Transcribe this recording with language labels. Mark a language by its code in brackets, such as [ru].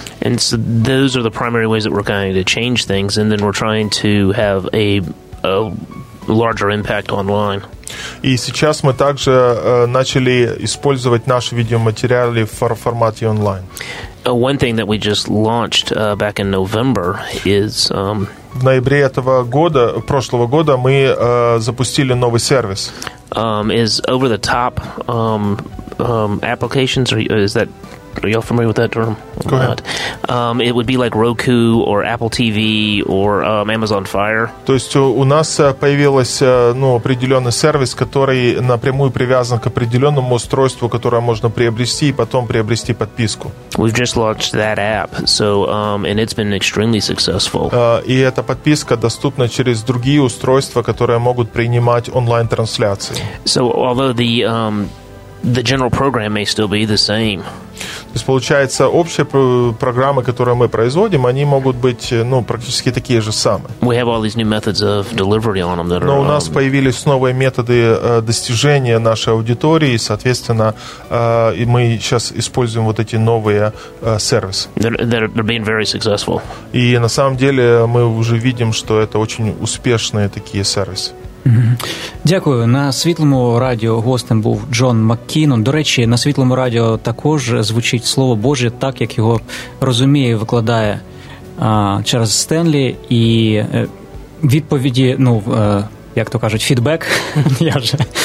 [en] And so those are the primary ways that we're going to change things, and then we're trying to have a larger impact online. [ru] И сейчас мы также начали использовать наши видеоматериалы в формате онлайн. [en] One thing that we just launched back in November is... [ru] В ноябре этого года, прошлого года, мы запустили новый сервис. [en] Is over-the-top applications, or is that... Are you all familiar with that term? Go ahead. It would be like Roku or Apple TV or Amazon Fire. [ru] То есть у нас появился определенный сервис, который напрямую привязан к определенному устройству, которое можно приобрести и потом приобрести подписку. [en] We've just launched that app, so and it's been extremely successful. [ru] И эта подписка доступна через другие устройства, которые могут принимать онлайн трансляции. [en] So although the general program may still be the same. [ru] То есть, получается, общие программы, которые мы производим, они могут быть, ну, практически такие же самые. [en] We have all these new methods of delivery on them that are, [ru] но у нас появились новые методы достижения нашей аудитории, и, соответственно, мы сейчас используем вот эти новые сервисы. [en] They're being very successful. [ru] И на самом деле мы уже видим, что это очень успешные такие сервисы. [uk] Дякую. На Світлому радіо гостем був Джон Маккінон. До речі, на Світлому радіо також звучить Слово Боже так, як його розуміє і викладає через Стенлі. І відповіді, як то кажуть, фідбек, я вже.